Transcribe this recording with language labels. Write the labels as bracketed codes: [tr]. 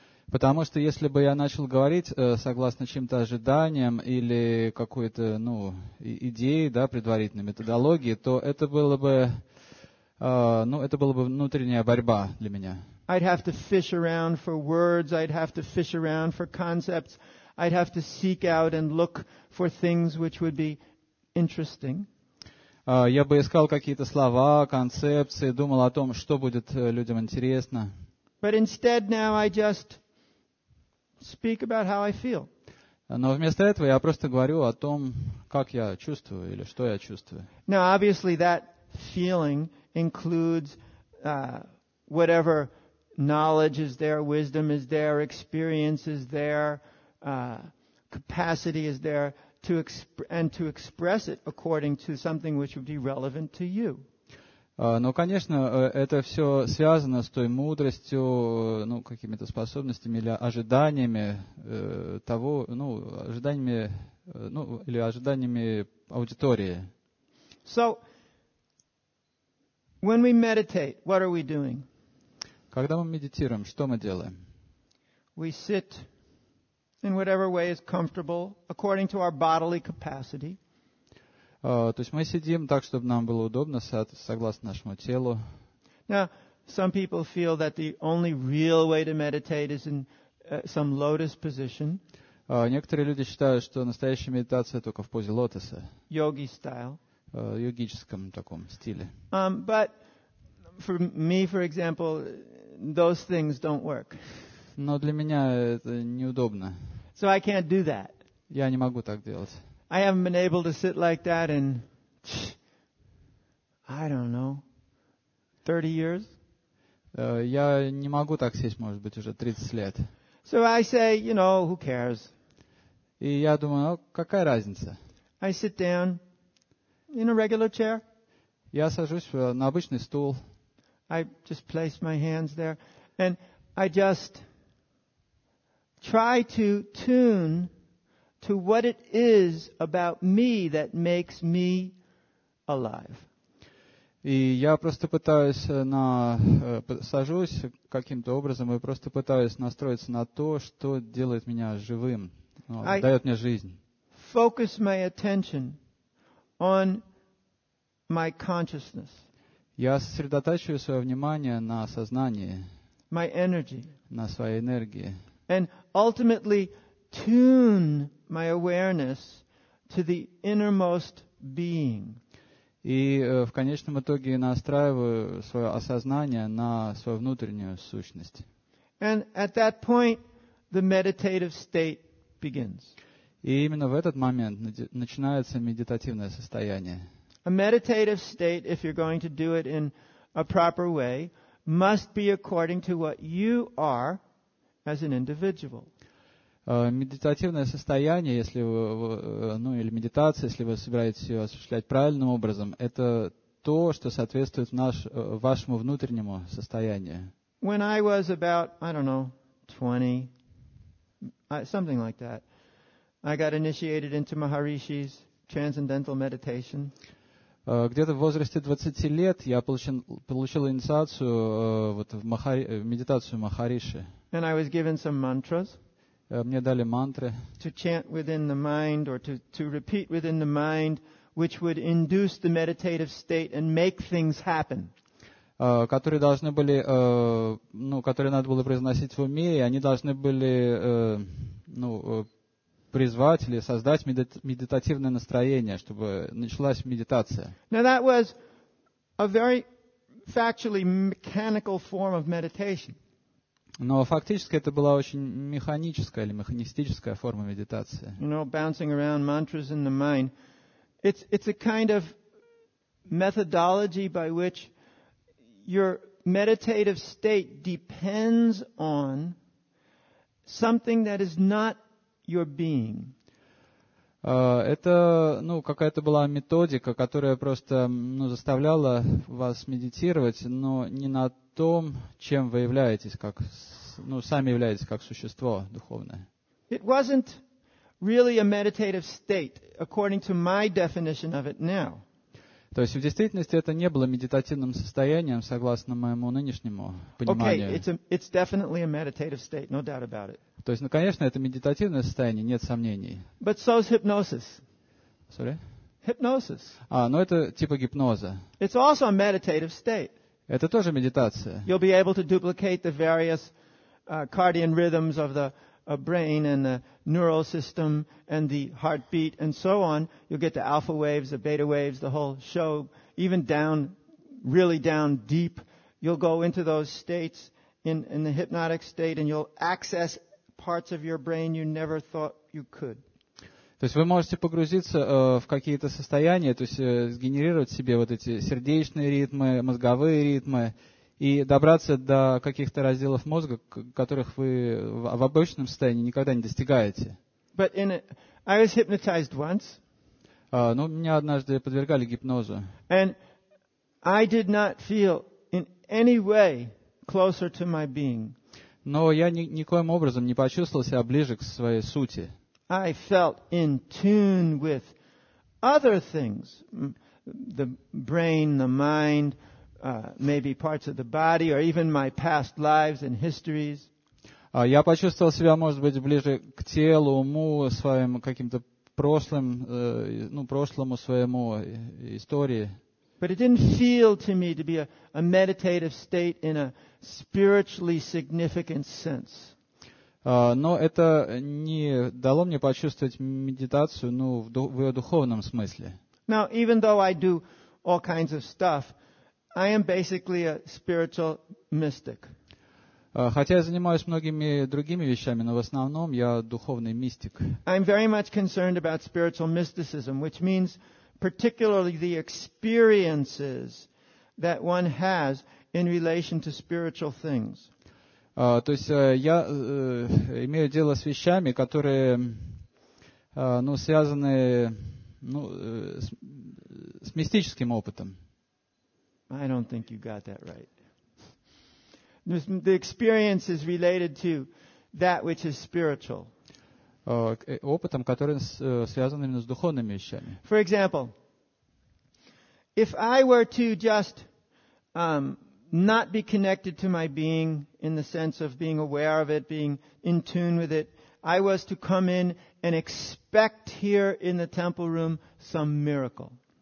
[ru] Потому что если бы я начал говорить согласно чьим-то ожиданиям или какой-то, ну, идее, да, предварительной методологии, то это было бы, ну, это была бы внутренняя борьба для меня. [en] I'd have to fish around for words, I'd have to fish around for concepts, I'd have to seek out and look for things which would be interesting. [ru] Я бы искал какие-то слова, концепции, думал о том, что будет людям интересно. [en] But instead now I just speak about how I feel. [ru] Но вместо этого я просто говорю о том, как я чувствую или что я чувствую. [en] Now obviously that feeling includes whatever knowledge is there, wisdom is there, experience is there, capacity is there to express it according to something which would be relevant to you. [ru] Ну, конечно, это все связано с той мудростью, ну, какими-то способностями или ожиданиями того, ну, ожиданиями, ну, или ожиданиями аудитории. [en] So, when we meditate, what are we doing? [ru] Когда мы медитируем, что мы делаем? [en] We sit in whatever way is comfortable, according to our bodily capacity. [ru] То есть мы сидим так, чтобы нам было удобно, согласно нашему телу. [en] Now, some people feel that the only real way to meditate is in some lotus position. [ru] Некоторые люди считают, что настоящая медитация только в позе лотоса. [en] Yogi style. [ru] Йогическом таком стиле. [en] But for me, for example, those things don't work. [ru] Но для меня это неудобно. [en] So I can't do that. [ru] Я не могу так делать. [en] I haven't been able to sit like that in, I don't know, 30 years. [ru] Я не могу так сесть, может быть, уже 30 лет. [en] So I say, you know, who cares? [ru] И я думаю, ну, какая разница? [en] I sit down in a regular chair. [ru] Я сажусь на обычный стул. [en] I just place my hands there, and I just try to tune to what it is about me that makes me alive. [ru] И я просто пытаюсь на сажусь каким-то образом и просто пытаюсь настроиться на то, что делает меня живым, дает мне жизнь. [en] Focus my attention on my consciousness. [ru] Я сосредотачиваю свое внимание на сознании. [en] My energy. [ru] На своей энергии. [en] And ultimately tune my awareness to the innermost being. [ru] И в конечном итоге настраиваю свое осознание на свою внутреннюю сущность. [en] And at that point the meditative state begins. [ru] И именно в этот момент начинается медитативное состояние. [en] A meditative state, if you're going to do it in a proper way, must be according to what you are as an individual. [ru] Медитативное состояние, если вы, ну, или медитация, если вы собираетесь ее осуществлять правильным образом, это то, что соответствует вашему внутреннему состоянию. [en] When I was about, I don't know, 20, something like that, I got initiated into Maharishi's transcendental meditation. [ru] Где-то в возрасте 20 лет я получил инициацию вот в медитацию Махариши. [en] And I was given some mantras. [ru] Мне дали мантры. [en] To chant within the mind or to repeat within the mind, which would induce the meditative state and make things happen. [ru] Которые должны были, ну, которые надо было произносить в уме, и они должны были, призвать или создать медитативное настроение, чтобы началась медитация. [en] Now that was a very factually mechanical form of meditation. [ru] Но фактически это была очень механическая или механистическая форма медитации. [en] You know, bouncing around mantras in the mind. It's a kind of methodology by which your meditative state depends on something that is not your being. [ru] Это, ну, какая-то была методика, которая просто, ну, заставляла вас медитировать, но не на том, чем вы являетесь, как, ну, сами являетесь как существо духовное. [en] It wasn't really a meditative state, according to my definition of it now. [ru] То есть, в действительности, это не было медитативным состоянием, согласно моему нынешнему пониманию. [en] Okay, it's definitely a meditative state, no doubt about it. [ru] То есть, ну, конечно, это медитативное состояние, нет сомнений. [en] But so is hypnosis. Sorry? Hypnosis. [ru] А, ну это типа гипноза. [en] It's also a meditative state. [ru] Это тоже медитация. [en] You'll be able to duplicate the various cardiac rhythms of the brain and the neural system and the heartbeat and so on. You'll get the alpha waves, the beta waves, the whole show, even down, really down deep. You'll go into those states in the hypnotic state and you'll access parts of your brain you never thought you could. [ru] То есть вы можете погрузиться в какие-то состояния, то есть сгенерировать себе вот эти сердечные ритмы, мозговые ритмы, и добраться до каких-то разделов мозга, которых вы в обычном состоянии никогда не достигаете. [en] But in a, I was hypnotized once. [ru] Ну, меня однажды подвергали гипнозу. [en] And I did not feel in any way closer to my being. [ru] Но я никоим образом не почувствовал себя ближе к своей сути. [en] I felt in tune with other things, the brain, the mind, maybe parts of the body, or even my past lives and histories. [ru] Я почувствовал себя, может быть, ближе к телу, уму, своим каким-то прошлым, ну, прошлому своему истории. [en] But it didn't feel to me to be a meditative state in a spiritually significant sense. [ru] Но это не дало мне почувствовать медитацию, ну, в ее духовном смысле. [en] Now, even though I do all kinds of stuff, I am basically a spiritual mystic. [ru] Хотя я занимаюсь многими другими вещами, но в основном я духовный мистик. [en] I'm very much concerned about spiritual mysticism, which means particularly the experiences that one has in relation to spiritual things. [ru] То есть я имею дело с вещами, которые ну, связаны ну, с мистическим опытом. [en] I don't think you got that right. The experience is related to that which is spiritual. [ru] Опытом, который связан именно с духовными вещами. [en] For example, if I were to just not be connected to my being in the sense of being aware of it, being in tune with it, I was to come in and expect here in the temple room some miracle.